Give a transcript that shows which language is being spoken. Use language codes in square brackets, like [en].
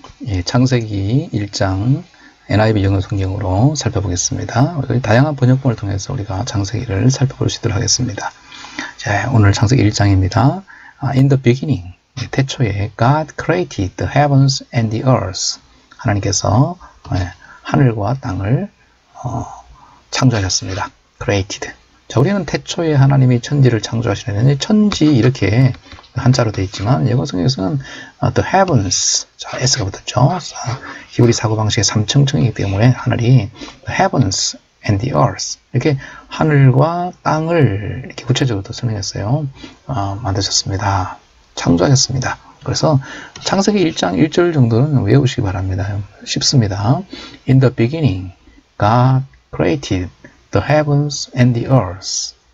[ko] 예, 창세기 1장 NIV 영어 성경으로 살펴보겠습니다. 다양한 번역본을 통해서 우리가 창세기를 살펴볼 수 있도록 하겠습니다. 자, 오늘 창세기 1장입니다. [en] In the beginning, [ko] 태초에 [en] God created the heavens and the earth. [ko] 하나님께서 하늘과 땅을 창조하셨습니다. [en] Created. [ko] 자, 우리는 태초에 하나님이 천지를 창조하시려면 천지 이렇게 한자로 되어 있지만 영어 성경에서는 the heavens, 자, s가 붙었죠. 자, 히브리 사고방식의 3층층이기 때문에 하늘이 [en] the heavens and the earth [ko] 이렇게 하늘과 땅을 이렇게 구체적으로 설명했어요. 만드셨습니다. 창조하셨습니다. 그래서 창세기 1장 1절 정도는 외우시기 바랍니다. 쉽습니다. [en] In the beginning, God created the heavens and the earth.